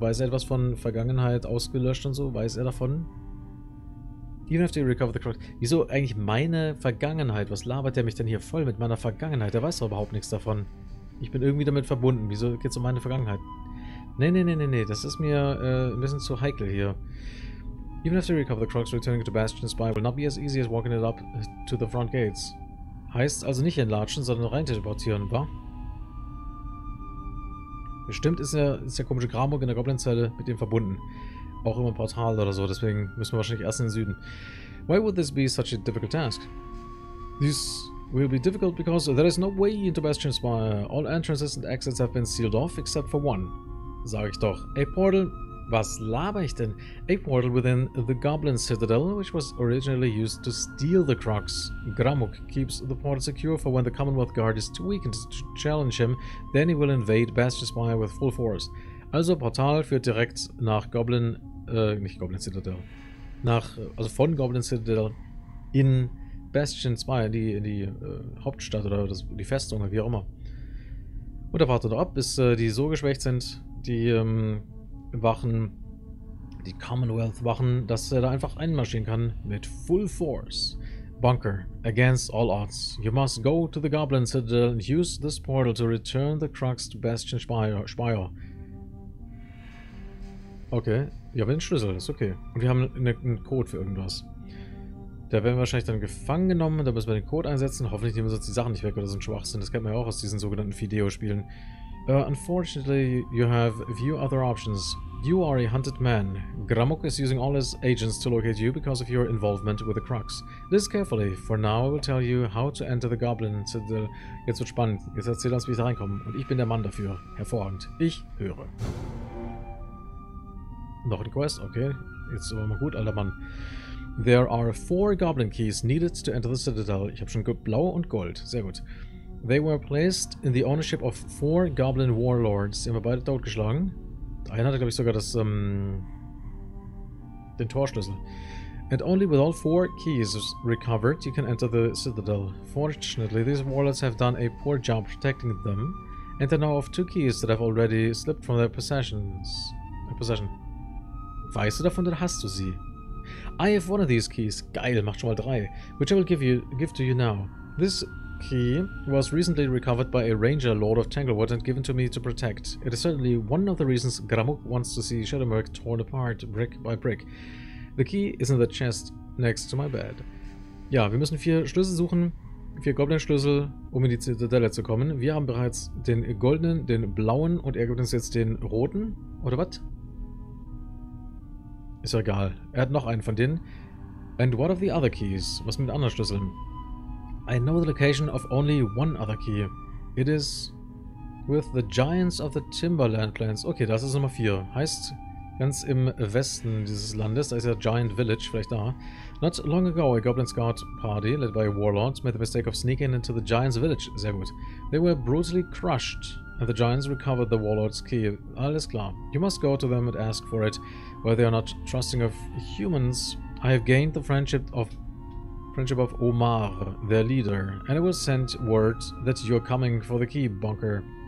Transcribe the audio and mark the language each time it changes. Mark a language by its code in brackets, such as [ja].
[de] Weiß er etwas von Vergangenheit ausgelöscht und so? Weiß er davon? [en] Even if they recover the Crux. [de] Wieso eigentlich meine Vergangenheit? Was labert der mich denn hier voll mit meiner Vergangenheit? Der weiß doch überhaupt nichts davon. Ich bin irgendwie damit verbunden. Wieso geht es um meine Vergangenheit? Nee. Das ist mir ein bisschen zu heikel hier. [en] Even if they recover the Crux, returning to Bastion Spire will not be as easy as walking it up to the front gates. [de] Heißt also nicht entlatschen, sondern rein teleportieren, wa? Bestimmt ist der komische Gramok in der Goblinzelle mit dem verbunden. Auch immer ein Portal oder so, deswegen müssen wir wahrscheinlich erst in den Süden. [en] Why would this be such a difficult task? This will be difficult because there is no way into Bastion Spire. All entrances and exits have been sealed off except for one. [de] Sag ich doch. [en] A portal. [de] Was laber ich denn? [en] A portal within the Goblin Citadel, which was originally used to steal the Crux. Gramuk keeps the portal secure for when the Commonwealth Guard is too weakened to challenge him, then he will invade Bastion Spire with full force. [de] Also, Portal führt direkt nach Goblin, nicht Goblin Citadel, von Goblin Citadel in Bastion 2, in die Hauptstadt oder die Festung oder wie auch immer. Und da wartet noch ab, bis die so geschwächt sind, die Wachen, die Commonwealth-Wachen, dass er da einfach einmarschieren kann mit Full Force. [en] Bunker, against all odds. You must go to the Goblin Citadel and use this portal to return the Crux to Bastion Spire. [de] Okay, wir haben den Schlüssel, ist okay. Und wir haben einen Code für irgendwas. Da werden wir wahrscheinlich dann gefangen genommen, da müssen wir den Code einsetzen. Hoffentlich nehmen wir sonst die Sachen nicht weg oder so ein Schwachsinn. Das kennt man ja auch aus diesen sogenannten Fideo-Spielen. [en] Unfortunately, you have few other options. You are a hunted man. Gramuk is using all his agents to locate you because of your involvement with the Crux. Listen carefully, for now I will tell you how to enter the Goblin Citadel. [de] Jetzt wird spannend. Jetzt erzähl uns, wie ich da reinkomme. Und ich bin der Mann dafür. Hervorragend. Ich höre. Noch eine Quest, okay. Jetzt aber mal gut, alter Mann. [en] There are four goblin keys needed to enter the citadel. [de] Ich habe schon blau und gold. Sehr gut. [en] They were placed in the ownership of four goblin warlords. [de] Die haben wir beide totgeschlagen. Der eine hatte, glaube ich, sogar das, den Torschlüssel. [en] And only with all four keys recovered, you can enter the citadel. Fortunately, these warlords have done a poor job protecting them. And they know of two keys that have already slipped from their possessions. [de] Weißt du davon, dann hast du sie. [en] I have one of these keys. [de] Geil, mach schon mal drei. [en] Which I will give to you now. This key was recently recovered by a ranger lord of Tanglewood and given to me to protect. It is certainly one of the reasons Gramuk wants to see Shadowmurk torn apart brick by brick. The key is in the chest next to my bed. [de] Ja, wir müssen 4 Schlüssel suchen. 4 Goblin-Schlüssel, um in die Zitadelle zu kommen. Wir haben bereits den goldenen, den blauen und er gibt uns jetzt den roten. Oder was? Ist ja egal. Er hat noch einen von denen. [en] And what of the other keys? [de] Was mit anderen Schlüsseln? [en] I know the location of only one other key. It is with the Giants of the Timberland Clans. [de] Okay, das ist Nummer 4. Heißt, ganz im Westen dieses Landes, da ist ja Giant Village, vielleicht da. [en] Not long ago, a Goblin Scout Party, led by a Warlord, made the mistake of sneaking into the Giants Village. [de] Sehr gut. [en] They were brutally crushed, and the Giants recovered the Warlord's key. [de] Alles klar. [en] You must go to them and ask for it, where they are not trusting of humans. I have gained the friendship of Omar, their leader, and it was sent word that you're coming for the key, Bunker.